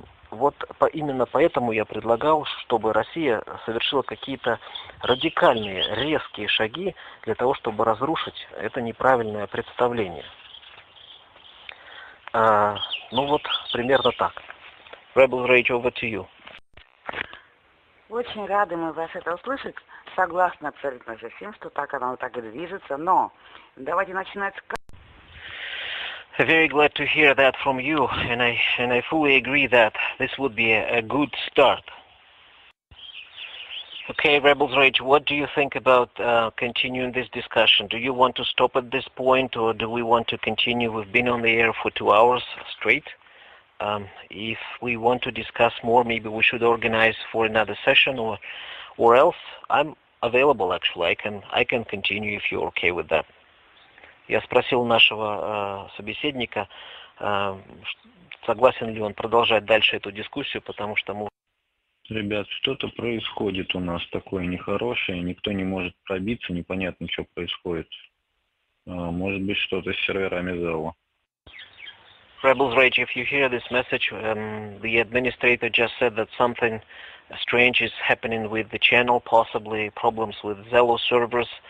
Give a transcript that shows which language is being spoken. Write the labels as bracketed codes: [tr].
[ru] Вот именно поэтому я предлагал, чтобы Россия совершила какие-то радикальные, резкие шаги для того, чтобы разрушить это неправильное представление. Ну вот, примерно так. Rebel Rage, [en] over to you. [ru] Очень рады мы вас это услышать. Согласны абсолютно со всем, что так оно так и движется, но давайте начинать с... [en] Very glad to hear that from you, and I fully agree that this would be a good start. Okay, Rebels Rage, what do you think about continuing this discussion? Do you want to stop at this point, or do we want to continue? We've been on the air for 2 hours straight. If we want to discuss more, maybe we should organize for another session, or else I'm available, actually. I can continue if you're okay with that. [ru] Я спросил нашего собеседника, согласен ли он продолжать дальше эту дискуссию, потому что мы... Ребят, что-то происходит у нас такое нехорошее, никто не может пробиться, непонятно, что происходит. Может быть, что-то с серверами зала. [en] Rebels Rage, if you hear this message, the administrator just said that something strange is happening with the channel, possibly problems with Zello servers.